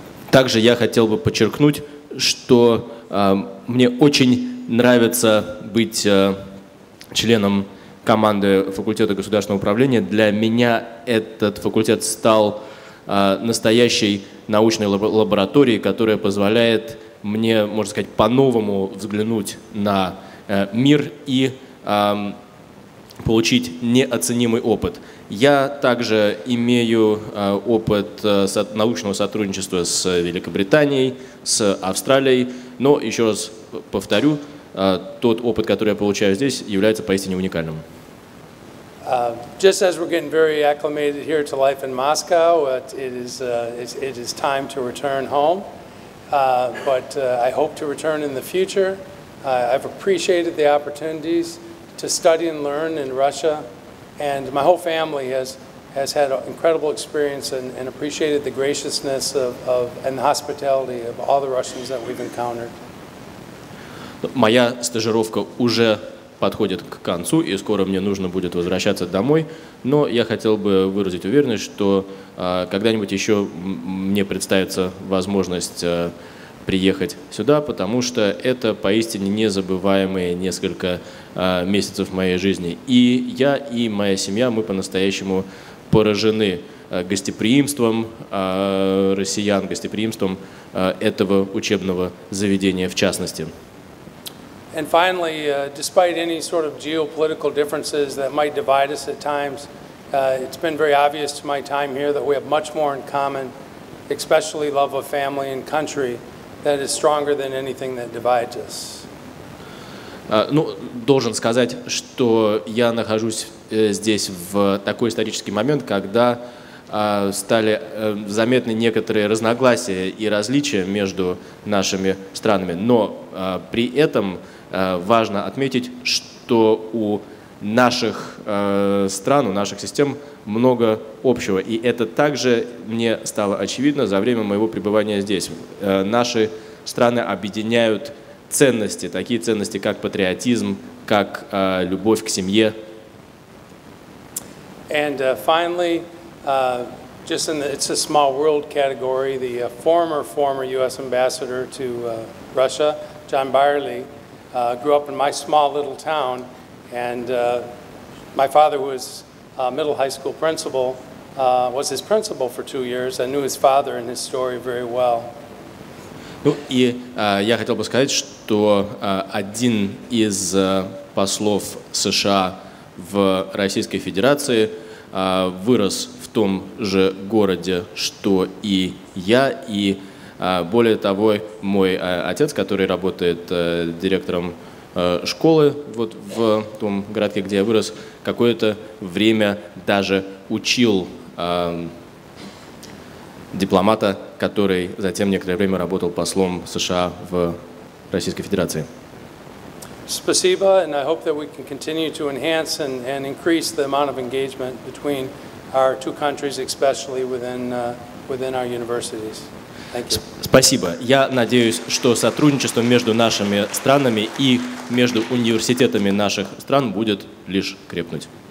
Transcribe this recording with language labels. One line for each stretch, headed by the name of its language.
Russian: Также я хотел бы подчеркнуть, что мне очень нравится быть членом команды факультета государственного управления. Для меня этот факультет стал настоящей научной лабораторией, которая позволяет мне, можно сказать, по-новому взглянуть на мир и получить неоценимый опыт. Я также имею опыт научного сотрудничества с Великобританией, с Австралией, но еще раз повторю, тот опыт, который я получаю здесь, является поистине уникальным.
English: Just as we're getting very acclimated here to life in Moscow, it is time to return home. But I hope to return in the future. I've appreciated the opportunities to study and learn in Russia, and my whole family has has had an incredible experience and appreciated the graciousness of and the hospitality of all the Russians that we've encountered.
Russian: Моя стажировка уже подходит к концу, и скоро мне нужно будет возвращаться домой, но я хотел бы выразить уверенность, что когда-нибудь еще мне представится возможность приехать сюда, потому что это поистине незабываемые несколько месяцев моей жизни. И я, и моя семья, мы по-настоящему поражены гостеприимством россиян, гостеприимством этого учебного заведения в частности.
English: And finally, despite any sort of geopolitical differences that might divide us at times, it's been very obvious to my time here that we have much more in common, especially love of family and country, that is stronger than anything that divides us.
Russian: Ну, должен сказать, что я нахожусь здесь в такой исторический момент, когда стали заметны некоторые разногласия и различия между нашими странами. Но при этом важно отметить, что у наших стран, у наших систем много общего. И это также мне стало очевидно за время моего пребывания здесь. Наши страны объединяют ценности, такие ценности, как патриотизм, как любовь к семье.
English: And finally, just in the, it's a small world category, the former U.S. ambassador to Russia, John Byerly, grew up in my small little town, and my father, who was a middle high school principal, was his principal for 2 years. I knew his father and his story very well.
Russian: Ну, и я хотел бы сказать, что один из послов США в Российской Федерации вырос в том же городе, что и я, и более того, мой отец, который работает директором школы вот в том городке, где я вырос, какое-то время даже учил дипломата, который затем некоторое время работал послом США в Российской Федерации. Спасибо,
English: and I hope that we can continue to enhance and increase the amount of engagement between our two countries, especially within our universities. Thank you.
Russian: Спасибо. Я надеюсь, что сотрудничество между нашими странами и между университетами наших стран будет лишь крепнуть.